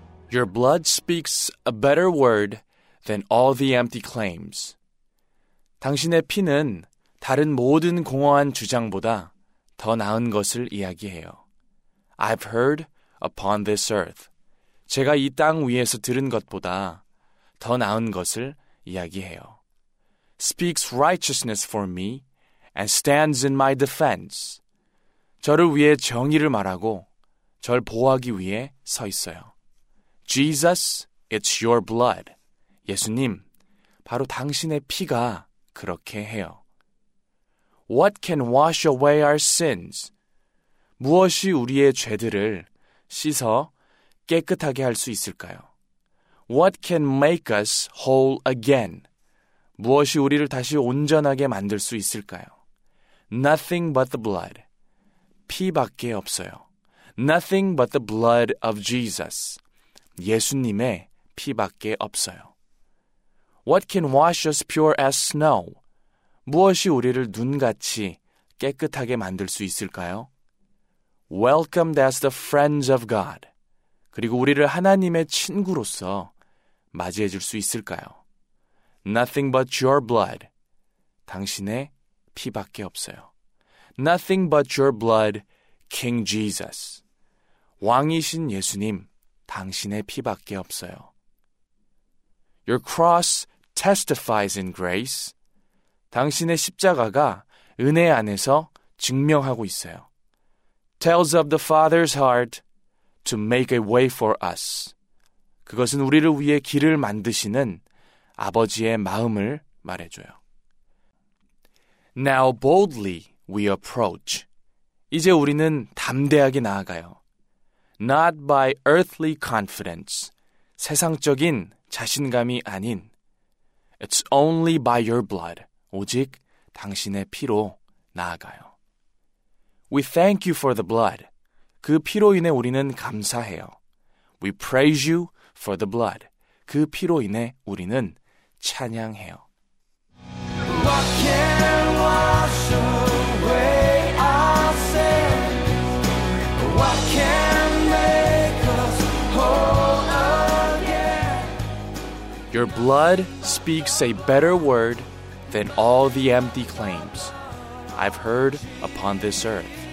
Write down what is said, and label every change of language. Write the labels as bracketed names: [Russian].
[English] Your blood speaks a better word than all the empty claims. [Korean] 당신의 피는 다른 모든 공허한 주장보다 더 나은 것을 이야기해요. [English] I've heard upon this earth. [Korean] 제가 이 땅 위에서 들은 것보다 더 나은 것을 이야기해요. [English] Speaks righteousness for me and stands in my defense. [Korean] 저를 위해 정의를 말하고 절 보호하기 위해 서 있어요. [English] Jesus, it's your blood. [Korean] 예수님, 바로 당신의 피가 그렇게 해요. [English] What can wash away our sins? [Korean] 무엇이 우리의 죄들을 씻어 깨끗하게 할 수 있을까요? [English] What can make us whole again? [Korean] 무엇이 우리를 다시 온전하게 만들 수 있을까요? [English] Nothing but the blood. [Korean] 피밖에 없어요. [English] Nothing but the blood of Jesus. [Korean] 예수님의 피밖에 없어요. [English] What can wash us pure as snow? [Korean] 무엇이 우리를 눈같이 깨끗하게 만들 수 있을까요? [English] Welcomed as the friends of God. [Korean] 그리고 우리를 하나님의 친구로서 맞이해 줄 수 있을까요? [English] Nothing but your blood. [Korean] 당신의 피밖에 없어요. [English] Nothing but your blood, King Jesus. [Korean] 왕이신 예수님, 당신의 피밖에 없어요. [English] Your cross testifies in grace. [Korean] 당신의 십자가가 은혜 안에서 증명하고 있어요. [English] Tells of the Father's heart to make a way for us. [Korean] 그것은 우리를 위해 길을 만드시는 아버지의 마음을 말해줘요. [English] Now boldly we approach. [Korean] 이제 우리는 담대하게 나아가요. [English] Not by earthly confidence. [Korean] 세상적인 자신감이 아닌 [English] It's only by your blood. [Korean] 오직 당신의 피로 나아가요. [English] We thank you for the blood. [Korean] 그 피로 인해 우리는 감사해요. [English] We praise you for the blood. [Korean] 그 피로 인해 우리는 찬양해요. [English] What can wash away our sin? What can make us whole again? Your blood speaks a better word than all the empty claims I've heard upon this earth.